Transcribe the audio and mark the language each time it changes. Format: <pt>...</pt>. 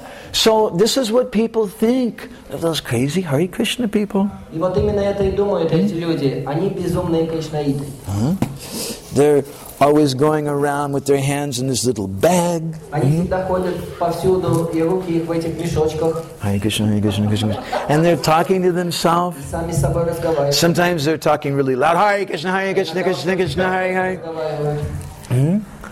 <en>So this is what people think of those crazy Hare Krishna people.</en> <ru>И вот именно это и думают эти люди. Они безумные кришнаиты.</ru> <en>They're always going around with their hands in this little bag. And they're talking to themselves. Sometimes they're talking really loud. Hare Krishna, Hare Krishna, Krishna Krishna, Hare Hare.</en>